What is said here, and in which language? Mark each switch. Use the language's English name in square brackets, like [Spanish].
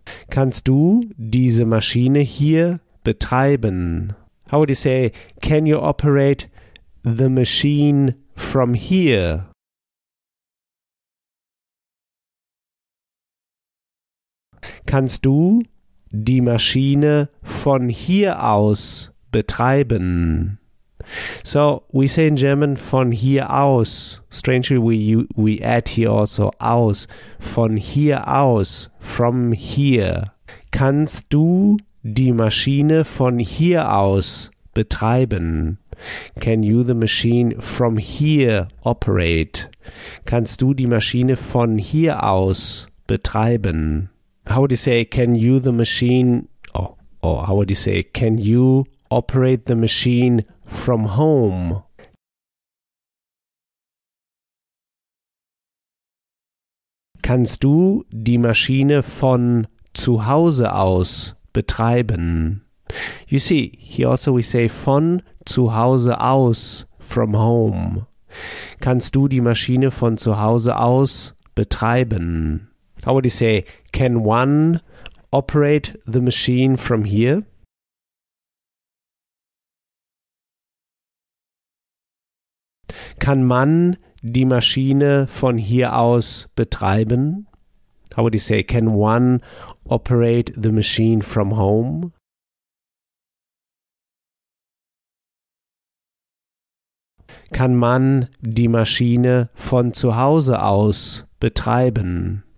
[German] Kannst du diese Maschine hier betreiben? [English] How would you say, can you operate the machine from here? [German] Kannst du die Maschine von hier aus betreiben? [English] So, we say in German, [German] von hier aus. [English] Strangely, we add here also aus. [German] Von hier aus, [English] from here. [German] Kannst du die Maschine von hier aus betreiben? [English] Can you the machine from here operate? [German] Kannst du die Maschine von hier aus betreiben? [English] How would you say, can you the machine or how would you say, can you operate the machine from home? [German] Kannst du die Maschine von zu Hause aus betreiben? [English] You see, here also we say [German] von zu Hause aus, [English] from home. [German] Kannst du die Maschine von zu Hause aus betreiben? [English] How would you say, can one operate the machine from here? [German] Kann man die Maschine von hier aus betreiben? [English] How would you say, can one operate the machine from home? [German] Kann man die Maschine von zu Hause aus betreiben?